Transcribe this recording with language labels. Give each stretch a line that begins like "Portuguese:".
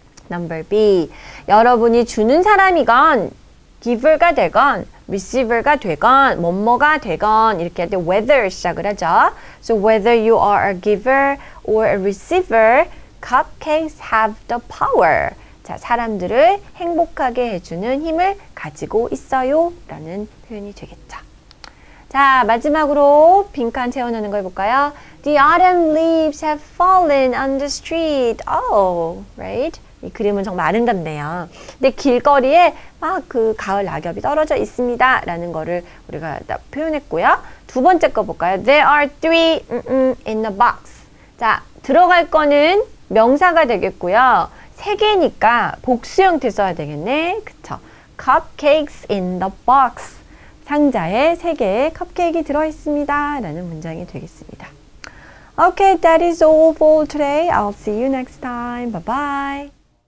English: Number B.
Korean: 여러분이 주는 사람이건, giver가 되건, receiver가 되건, 뭐뭐가 되건, 이렇게 할 때 whether 시작을 하죠.
English: So whether you are a giver or a receiver, cupcakes have the power.
Korean: 자, 사람들을 행복하게 해주는 힘을 가지고 있어요 라는 표현이 되겠죠. 자, 마지막으로 빈칸 채워넣는 걸 볼까요?
English: The autumn leaves have fallen on the street. Oh, right?
Korean: 이 그림은 정말 아름답네요. 근데 길거리에 막 그 가을 낙엽이 떨어져 있습니다 라는 거를 우리가 표현했고요. 두 번째 거 볼까요?
English: There are three in the box.
Korean: 자, 들어갈 거는 명사가 되겠고요. 세 개니까 복수 형태 써야 되겠네. 그쵸.
English: Cupcakes in the box.
Korean: 상자에 세 개의 컵케이크가 들어있습니다. 라는 문장이 되겠습니다.
English: Okay, that is all for today. I'll see you next time. Bye-bye.